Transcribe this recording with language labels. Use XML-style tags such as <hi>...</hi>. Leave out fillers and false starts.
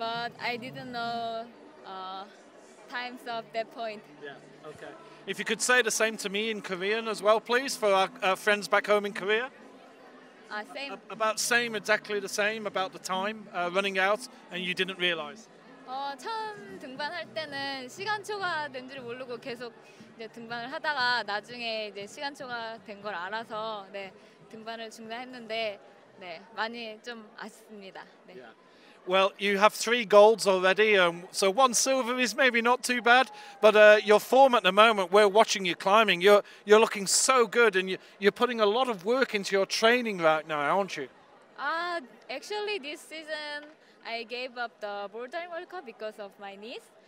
<en>But I didn't know times of that point. Yeah, okay. If you could say the same to me in Korean as well, please, for our friends back home in Korea. Same. Exactly the same about the time running out and you didn't realize.</en> <ko>처음 등반할 때는 시간초가 된 줄 모르고 계속 이제 등반을 하다가 나중에 이제 시간초가 된 걸 알아서 네 등반을 중단했는데 네 많이 좀 아쉽습니다. 네.</ko> <en>Yeah. Well, you have 3 golds already, so 1 silver is maybe not too bad. But your form at the moment, we're watching you climbing. You're looking so good, and you're putting a lot of work into your training right now, aren't you? Actually, this season. I gave up the bouldering World Cup because of my knees.</en>